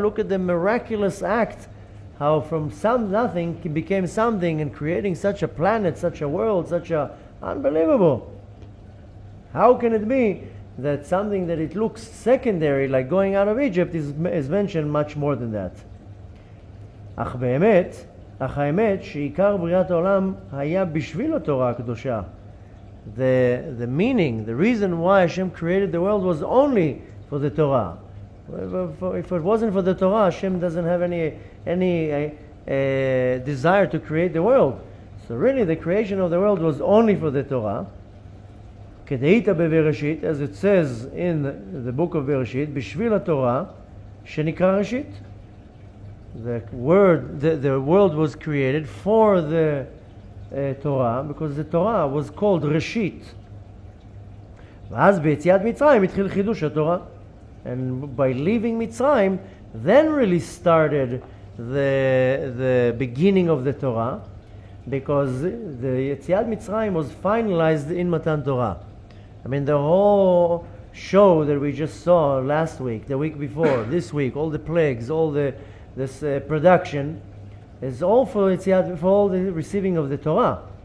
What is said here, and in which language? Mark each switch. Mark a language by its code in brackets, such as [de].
[en] Look at the miraculous act. How from some nothing became something and creating such a planet, such a world, such a... Unbelievable. How can it be that something that it looks secondary, like going out of Egypt, is mentioned much more than that? [he] Ach be'emet... אך האמת שעיקר בריאת העולם היה בשביל התורה הקדושה. [en] The meaning, the reason why Hashem created the world was only for the Torah. If it wasn't for the Torah, Hashem doesn't have any desire to create the world. So really, the creation of the world was only for the Torah. [he] כדאית בבראשית, [en] as it says in the book of בראשית, [he] בשביל התורה שנקרא ראשית. [en] The world was created for the Torah, because the Torah was called Reshit. [he] ואז ביציאת מצרים התחיל חידוש התורה. [en] And by leaving Mitzrayim, then really started the beginning of the Torah, because the Yetziat Mitzrayim was finalized in Matan Torah. I mean, the whole show that we just saw last week, the week before, this week, all the plagues, all the this production is all for Yetziat, for all the receiving of the Torah.